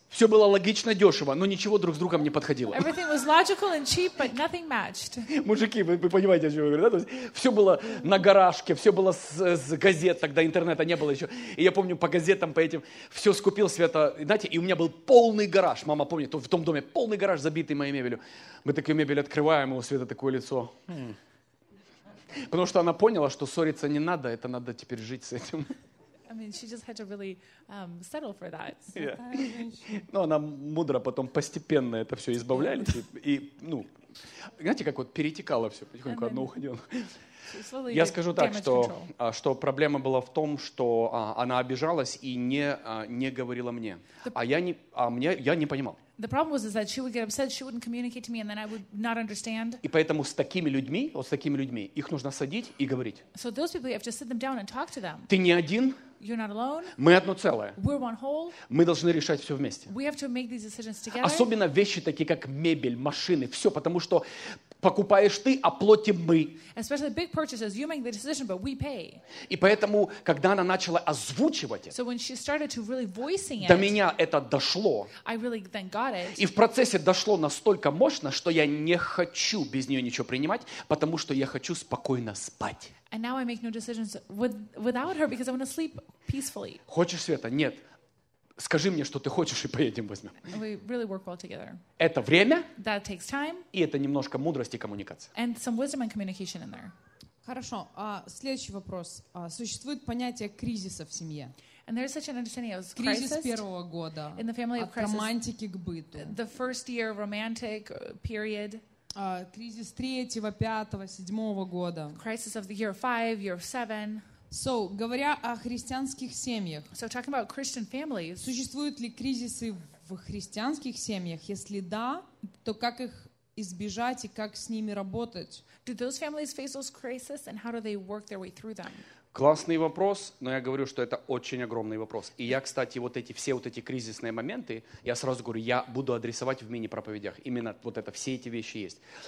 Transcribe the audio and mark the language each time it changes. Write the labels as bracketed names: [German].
[Russian] Все было логично, дешево, но ничего друг с другом не подходило. [English] Everything was logical and cheap, but nothing matched. [Russian] Мужики, вы понимаете, о чем я говорю, да? То есть, все было на гаражке, все было с газет, тогда интернета не было еще. И я помню, по газетам, по этим, все скупил, Света, знаете, и у меня был полный гараж. Мама помнит, в том доме полный гараж, забитый моей мебелью. Мы такую мебель открываем, и у Света такое лицо. Потому что она поняла, что ссориться не надо, это надо теперь жить с этим. [English] I mean, she just had to really settle for that. Yeah. [Russian] Ну, она мудро потом постепенно это все избавляли. И, ну, знаете, как вот перетекало все, потихоньку одно уходило. Я скажу так, что проблема была в том, что она обижалась и не говорила мне. Я не понимал. [English] The problem was that she would get upset, she wouldn't communicate to me, and then I would not understand. [Russian] И поэтому с такими людьми, вот с такими людьми, их нужно садить и говорить. [English] So those people, you have to sit them down and talk to them. [Russian] Ты не один. [English] You're not alone. [Russian] Мы одно целое. [English] We're one whole. [Russian] Мы должны решать все вместе. [English] We have to make these decisions together. [Russian] Особенно вещи такие, как мебель, машины, все, потому что покупаешь ты, а платим мы. [English] Especially big purchases, you make the decision, but we pay. [Russian] И поэтому, когда она начала озвучивать это, [English] so when she started to really voicing it, [Russian] до меня это дошло. [English] I really then got it. [Russian] И в процессе дошло настолько мощно, что я не хочу без нее ничего принимать, потому что я хочу спокойно спать. [English] And now I make no decisions without her because I want to sleep peacefully. [Russian] Хочешь, Света? Нет. Скажи мне, что ты хочешь, и поедем возьмем. [English] We really work well together. [Russian] Это время. [English] That takes time. [Russian] И это немножко мудрости и коммуникации. [English] And some wisdom and communication in there. [Russian] Хорошо. Следующий вопрос. Существует понятие кризиса в семье. [English] And there's such an understanding of [Russian] кризис первого года. [English] In the family of crisis. [Russian] От романтики к быту. [English] The first year romantic period. [Russian] Кризис третьего, пятого, седьмого года. [English] Crisis of the year five, year seven. [Russian] So, говоря о христианских семьях, [English] so talking about Christian families, [Russian] существуют ли кризисы в христианских семьях? Если да, то как их избежать и как с ними работать? [English] Do those families face those crises and how do they work their way through them? [Russian] Классный вопрос, но я говорю, что это очень огромный вопрос. И я, кстати, вот эти все вот эти кризисные моменты, я сразу говорю, я буду адресовать в мини-проповедях. Именно вот это, все эти вещи есть.